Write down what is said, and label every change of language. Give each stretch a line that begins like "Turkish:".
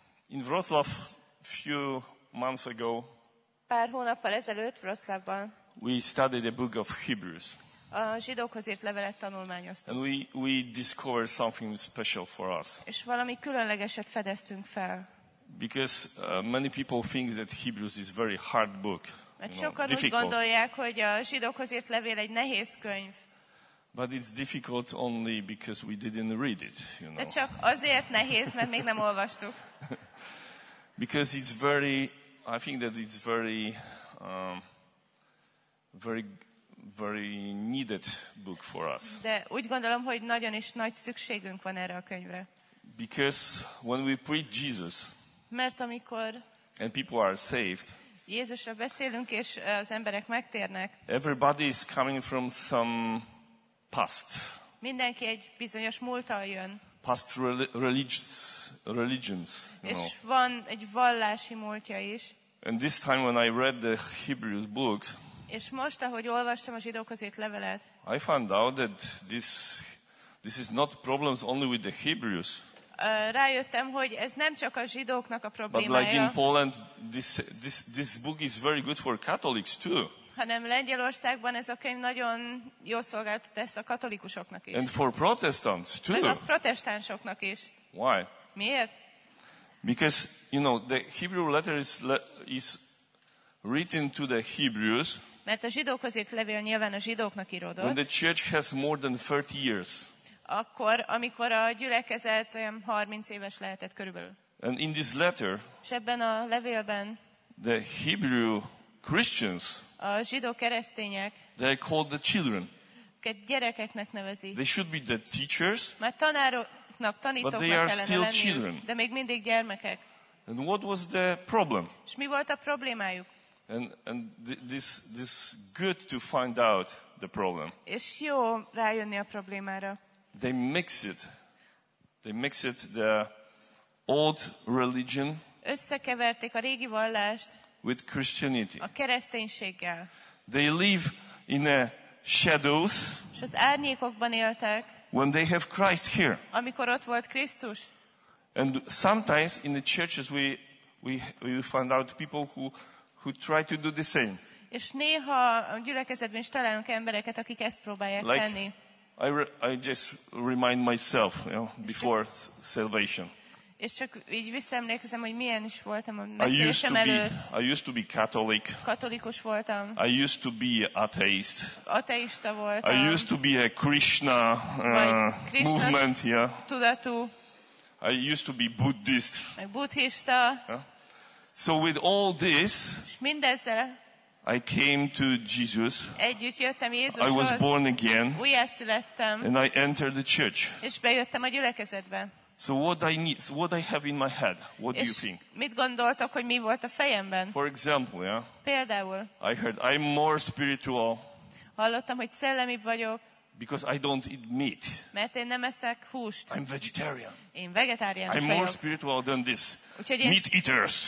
English: In Wrocław few months ago,
Hungarian: pár hónappal ezelőtt Wrocławban,
English: we studied a book of Hebrews.
Hungarian: A zsidókhoz írt levelet tanulmányoztuk.
English: And we discovered something special for us.
Hungarian: És valami különlegeset fedeztünk fel.
English: Because many people think that Hebrews is a very hard book.
Hungarian: Mert sokan úgy gondolják, hogy a zsidókhoz írt levél egy nehéz könyv.
English: But it's difficult only because we didn't read it, you know.
Hungarian: De csak azért nehéz, mert még nem olvastuk.
English: Because it's very, I think that it's very, very, very needed book for us.
Hungarian: De úgy gondolom, hogy nagyon is nagy szükségünk van erre a könyvre.
English: Because when we preach Jesus,
Hungarian: mert amikor
English: and people are saved,
Hungarian: Jézusra beszélünk és az emberek megtérnek,
English: everybody is coming from some past.
Hungarian: Mindenki egy bizonyos múlttal jön.
English: Past religions, you
Hungarian: és
English: know.
Hungarian: Van egy vallási múltja is.
English: And this time when I read the Hebrews book,
Hungarian: és most, ahogy olvastam a zsidókhoz írt levelet,
English: I found out that this is not problems only with the Hebrews.
Hungarian: Rájöttem, hogy ez nem csak a zsidóknak a problémája.
English: But like in Poland, this book is very good for Catholics too.
Hungarian: Hanem Lengyelországban ez a könyv nagyon jó szolgált tesz a katolikusoknak is.
English: And for Protestants too.
Hungarian: Meg a protestánsoknak is.
English: Why?
Hungarian: Miért?
English: Because, you know, the Hebrew letter is written to the Hebrews.
Hungarian: Mert a zsidókhoz írt levél nyilván a zsidóknak íródott.
English: When the church has more than 30 years.
Hungarian: Akkor, amikor a gyülekezet olyan 30 éves lehetett körülbelül.
English: And in this letter,
Hungarian: és ebben a levélben,
English: the Hebrew Christians,
Hungarian: a zsidó keresztények,
English: they are called the children.
Hungarian: Ket gyerekeknek nevezi.
English: They should be the teachers.
Hungarian: Mert tanároknak, tanítóknak kellene lenni,
English: children.
Hungarian: De még mindig gyermekek.
English: And what was the problem?
Hungarian: És mi volt a problémájuk?
English: And this good to find out the problem.
Hungarian: És jó rájönni a problémára.
English: They mix it. They mix it the old religion.
Hungarian: Összekeverték a régi vallást.
English: With Christianity.
Hungarian: A kereszténységgel.
English: They live in a shadows.
Hungarian: És az árnyékokban éltek.
English: When they have Christ here.
Hungarian: Amikor ott volt Krisztus.
English: And sometimes in the churches we find out people who try to do the same.
Hungarian: És néha a gyülekezetben is találunk embereket, akik ezt próbálják
English: like
Hungarian: tenni.
English: I just remind myself, you know, before salvation.
Hungarian: És csak így visszaemlékezem, hogy milyen is voltam a megtérésem előtt.
English: I used to be Catholic.
Hungarian: Katolikus voltam.
English: I used to be atheist.
Hungarian: Ateista voltam.
English: I used to be a Krishna,
Hungarian: Krishna
English: movement, yeah.
Hungarian: Tudatú.
English: I used to be Buddhist.
Hungarian: Meg buddhista.
English: Yeah. So with all this,
Hungarian: és mindezzel,
English: I came to Jesus.
Hungarian: Együtt jöttem Jézushoz.
English: I was born again.
Hungarian: Újjászülettem.
English: And I entered the church.
Hungarian: És bejöttem a gyülekezetbe.
English: So what I need, so what I have in my head, what do you think?
Hungarian: Mit gondoltok, hogy mi volt a fejemben?
English: For example, yeah.
Hungarian: Például.
English: I heard I'm more spiritual.
Hungarian: Hallottam, hogy szellemibb vagyok.
English: Because I don't eat meat.
Hungarian: Mert én nem eszek húst.
English: I'm vegetarian.
Hungarian: Én vegetáriánus vagyok.
English: I'm more spiritual than this.
Hungarian: Úgyhogy
English: meat eaters.